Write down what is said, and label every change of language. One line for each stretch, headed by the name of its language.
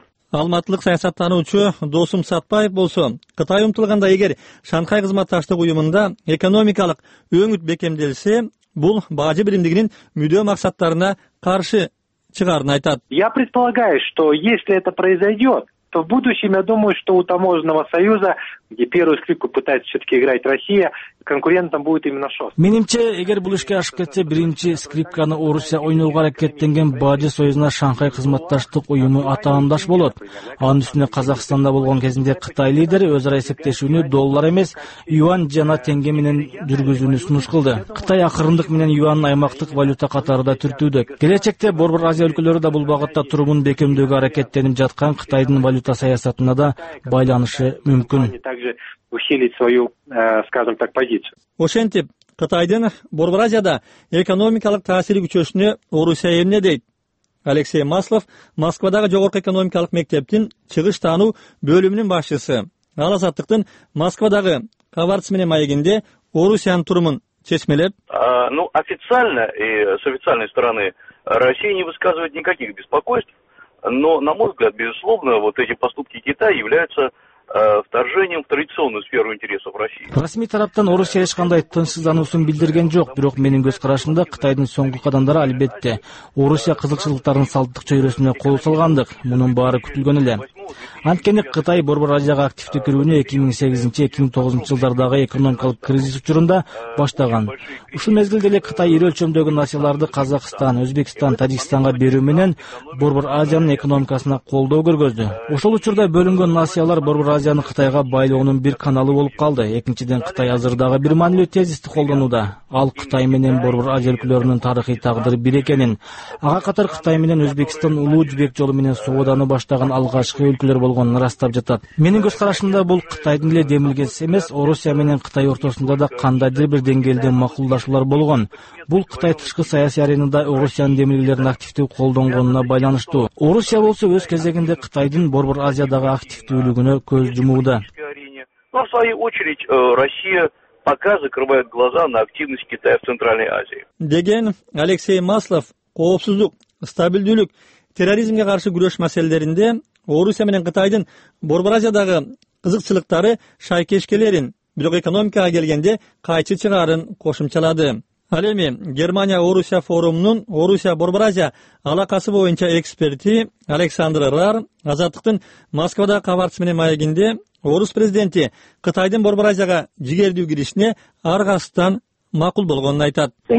Kyrgyz: Алматылык саясаттануучу Досум Сатпаев болсо, Кытай умтулганда эгер Шанхай кызматташтык уюмунда экономикалык өңүт бекемделсе, бул бажы биримдигинин мүдөө максаттарына каршы чыгарын айтат.
Russian: Я предполагаю, что если это произойдет, то в будущем, я думаю, что у таможенного союза, где первую скрипку пытается все-таки играть Россия, конкурентом будет именно ШОС.
Kyrgyz: Менимче, эгер бул ишке ашып кетсе, биринчи скрипканы Орусия ойноого аракеттенген бажы союзуна Шанхай кызматташтык уюму атаандаш болот. Анын үстүнө Казакстанда болгон кезинде Кытай лидери өз ара эсептешүүнү доллар эмес, юань жана теңге менен жүргүзүүнү сунуш кылды. Кытай акырындык менен юаньды аймактык валюта катары да түртүүдө. Келечекте Борбор Азия өлкөлөрү да бул багытта турумун бекемдөөгө аракеттенип жаткан Кытайдын валюта саясатына да байланышы мүмкүн.
Russian: Усилить свою, скажем так, позицию.
Kyrgyz: Ошентип, Кытайдын Борбор Азияда экономикалык таасири күчөшүнө Орусия эмне дейт? Алексей Маслов, Москвадагы жогорку экономикалык мектептин чыгыш таануу бөлүмүнүн башчысы. Ал Азаттыктын Москвадагы Каварц менен маегинде Орусиянын турумун чечмелеп.
Russian: Ну, официально и с официальной стороны Россия не высказывает никаких беспокойств, но, на мой взгляд, безусловно, вот эти поступки Китая являются вторжением в традиционную сферу интересов России.
Kyrgyz: Расмий тараптан Орусия эшкандай тынчсызданысын билдирген жок, бирок менин көз карашымда Кытайдын соңку кадамдары албетте Орусия кызылчылыктарын салттык чөйрөсүнө кол салгандык. Мунун баары күтүлгөн эле. Анткени Кытай Борбор Азияга активдүү кирүүнү 2008-2009 жылдардагы экономикалык кризис учурунда баштаган. Ушул мезгилде эле Кытай ири өлчөмдөгү насияларды Казакстан, Өзбекстан, Тажикстанга берүү менен Борбор Азиянын экономикасына колдоо көргөздү. Ошол учурда бөлүнгөн насиялар Борбор Азияны Кытайга байлоонун бир каналы болуп калды. Экинчиден Кытай азырдагы бир маанилүү тезисти колдонууда. Ал Кытай менен Борбор Азия өлкөлөрүнүн тарыхый тагдыры бир экенин, ага катар Кытай менен Өзбекстан Улуу Жибек жолу менен сооданы баштаган алгачкы өлкөлөр болгонун ырастап жатат. Менин көз карашымда бул Кытайдын эле демилгеси эмес, Орусия менен Кытай ортосунда да кандайдыр бир деңгээлде макулдашуулар болгон. Бул Кытай тышкы саясий аренада Орусиянын демилгелерин активдүү колдонгонуна байланыштуу. Орусия болсо өз кезегинде Кытайдын Борбор Азиядагы активдүүлүгүнө көз жумууда.
Russian: Но в свою очередь Россия пока закрывает глаза на активность Китая в Центральной Азии.
Kyrgyz: Деген Алексей Маслов коопсуздук, стабилдүүлүк, терроризмге каршы күрөш маселелеринде Орусия менен Кытайдын Борбор Азиядагы кызыкчылыктары шайкешкелерин, бирок экономикага келгенде кайчы чыгарын кошумчалады. Ал эми Германия Орусия форумунун Орусия Борбор Азия алакасы боюнча эксперти Александр Рар Азаттыктын Москвада кабарчы менен маегинде Орус президенти Кытайдын Борбор Азияга жигердүү киришине ар кайсыдан макул болгонун айтат.